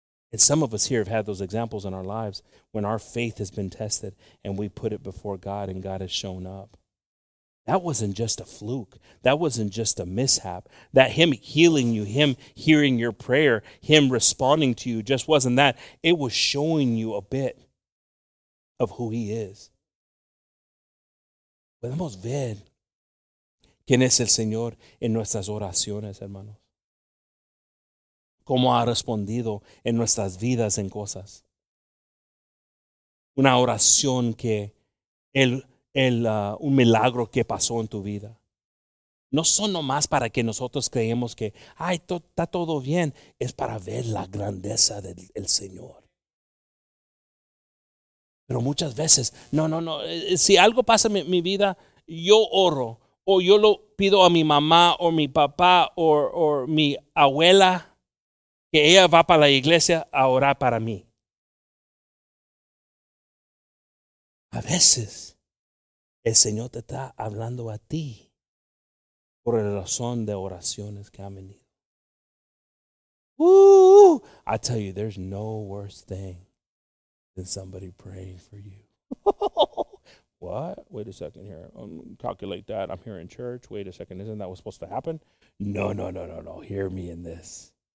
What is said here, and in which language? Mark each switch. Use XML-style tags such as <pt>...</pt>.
<en>And some of us here have had those examples in our lives when our faith has been tested and we put it before God and God has shown up. That wasn't just a fluke. That wasn't just a mishap. That him healing you, him hearing your prayer, him responding to you just wasn't that. It was showing you a bit of who he is.</en> <es>Podemos ver quién es el Señor en nuestras oraciones, hermanos. Cómo ha respondido en nuestras vidas en cosas. Una oración que un milagro que pasó en tu vida. No son nomás para que nosotros creemos que, ay, está todo bien. Es para ver la grandeza del Señor. Pero muchas veces, no. Si algo pasa en mi vida, yo oro. O yo lo pido a mi mamá, o mi papá, o mi abuela. Que ella va para la iglesia a orar para mí. A veces, el Señor te está hablando a ti por la razón de oraciones que han venido. Woo!</es> <en>I tell you, there's no worse thing than somebody praying for you. What? Wait a second here. Calculate that. I'm here in church. Wait a second. Isn't that what's supposed to happen? No. Hear me in this.</en>